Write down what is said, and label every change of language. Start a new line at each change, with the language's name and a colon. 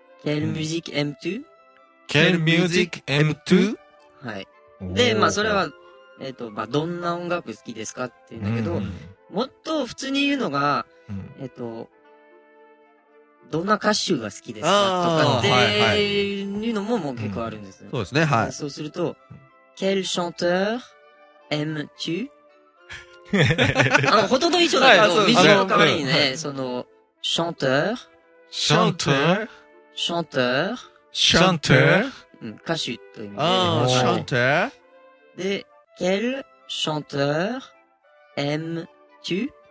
French: Quelle musique aimes-tu? Quelle musique aimes-tu?
Japanese: はい。で、まあ、それは、まあ、どんな音楽好きですかって言うんだけど、うん、もっと普通に言うのが、どんな歌手が好きですかとかって、はいはい、いうのももう結構あるんですよ、うん。そうですね、はい。そうすると、
French: Quel chanteur aimes-tu?
Japanese: ほとんど一緒だけど、ビジュアルかわいいね、その、chanteur、
French: Chanteur.
Japanese: 歌手という意味で。
French: ああ、chanteur. で、quel chanteur aimes-tu?